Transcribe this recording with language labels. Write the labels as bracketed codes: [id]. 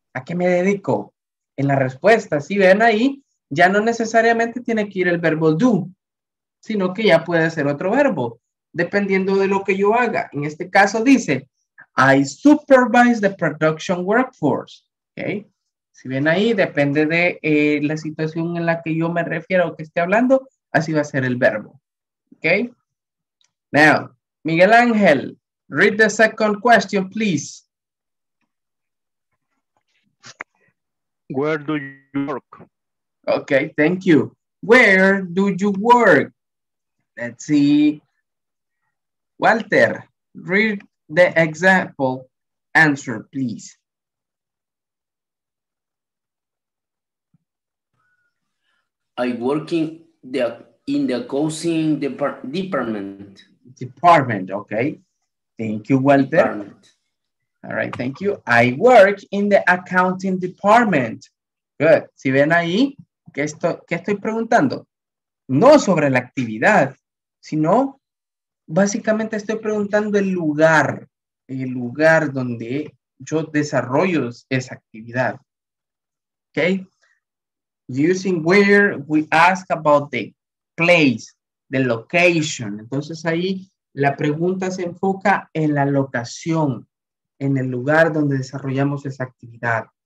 [es] ¿A qué me dedico? En la respuesta, si ven ahí, ya no necesariamente tiene que ir el verbo do, sino que ya puede ser otro verbo, dependiendo de lo que yo haga. En este caso dice, [en] I supervise the production workforce, okay? [es] Si ven ahí, depende de la situación en la que yo me refiero o que esté hablando, así va a ser el verbo, okay? [en] Now, Miguel Ángel, read the second question, please. Where do you work? Okay, thank you. Where do you work? Let's see. Walter, read the example answer, please. I work in the accounting department. Department, okay. Thank you, Walter. Department. All right, thank you. I work in the accounting department. Good. [es] Si ven ahí, ¿qué estoy preguntando? No sobre la actividad, sino básicamente estoy preguntando el lugar donde yo desarrollo esa actividad. [en] Okay? Using where, we ask about the place, the location. [es] Entonces ahí la pregunta se enfoca en la locación, en el lugar donde desarrollamos esa actividad.